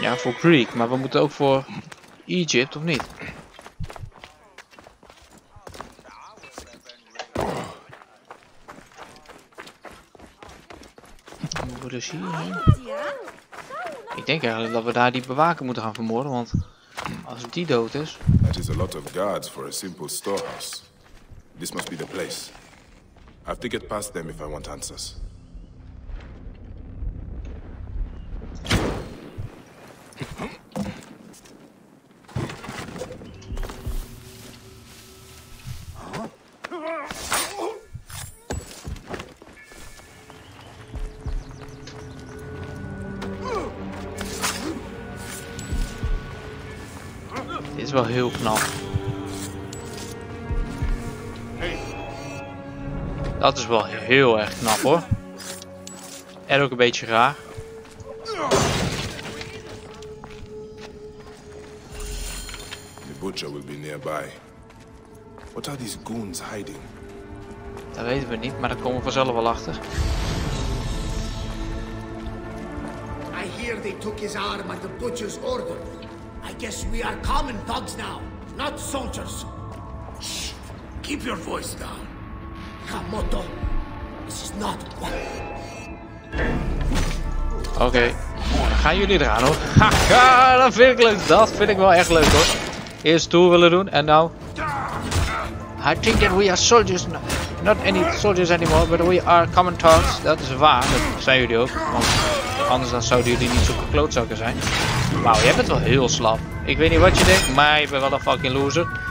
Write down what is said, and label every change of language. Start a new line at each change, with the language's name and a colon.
Dutch: Ja, voor Greek, maar we moeten ook voor Egypte, of niet? Dus hierheen. Ik denk eigenlijk dat we daar die bewaker moeten gaan vermoorden, want als die dood is.
English: That is a lot of guards for a simple storehouse. This must be the place. I have to get past them if I want answers.
Dutch: Is wel heel knap. Dat is wel heel erg knap hoor. En ook een beetje raar.
English: The butcher will be nearby. What are these goons hiding?
Dutch: Dat weten we niet, maar daar komen we vanzelf wel achter.
English: I hear they took his arm at the butcher's order. I guess we are common thugs now, not soldiers. Shh, keep your voice down. Kamoto, this is not what.
Dutch: Oké, gaan jullie eraan hoor. Haha, dat vind ik leuk. Dat vind ik wel echt leuk hoor. Eerst toe willen doen en nou.
English: I think that we are soldiers. Not any soldiers anymore, but we are common thugs.
Dutch: Dat is waar, dat zijn jullie ook. Want anders dan zouden jullie niet zulke klootzakken zijn. Wauw, jij bent wel heel slap. Ik weet niet wat je denkt, maar je bent wel een fucking loser.